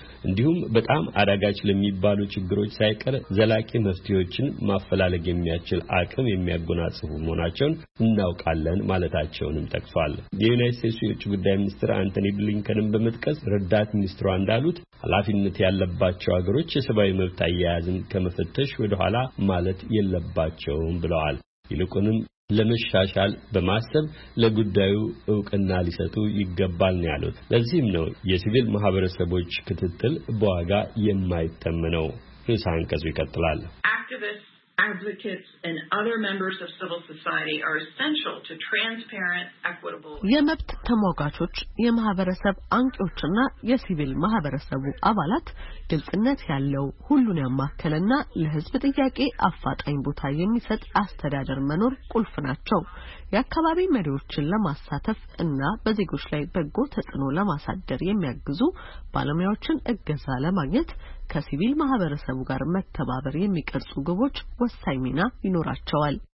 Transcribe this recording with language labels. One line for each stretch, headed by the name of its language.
Amharic: እንዲሁም በጣም አዳጋች ለሚባሉ ችግሮች ሳይቀር ዘላቂ መፍትሄዎችን ማፈላለግ የሚያስችል አቅም የሚያጎናጽፉ መሆናቸውን እናውቃለን ማለታቸውንም ጠቅሷል። የዩናይትድ ስቴትስ የውጭ ጉዳይ ሚኒስትር አንቶኒ ብሊንከንን በመጥቀስ ረዳት ሚኒስትሯ እንዳሉት ኃላፊነት ያለባቸው አገሮች የሰብአዊ መብት አያያዝን ከመፈተሽ ወደኋላ ማለት የለባቸውም ብለዋል። ይልቁንም ለመሻሻል በማሰብ ለጉዳዩ እውቅና ሊሰጡ ይገባል ነው ያሉት። ለዚህም ነው የሲቪል ማህበረሰቦች ክትትል በዋጋ የማይተመነው። ንዑስ አንቀጽ ይከተላል።
English: Advocates and other members of civil society are essential to transparent, equitable.
Amharic: የመብት ተሟጋቾች የማህበረሰብ አንቂዎችና የሲቪል ማህበረሰቡ አባላት ግልጽነት ያለው ሁሉን ያማከለና ለህዝብ ጥያቄ አፋጣኝ ቦታ የሚሰጥ አስተዳደር መኖር ቁልፍ ናቸው። የአካባቢ መሪዎችን ለማሳተፍ እና በዜጎች ላይ በጎ ተጽዕኖ ለማሳደር የሚያግዙ ባለሙያዎችን እገዛ ለማግኘት ከሲቪል ማህበረሰቡ ጋር መተባበር የሚቀርጹ ግቦች ወሳኝ ሚና ይኖራቸዋል።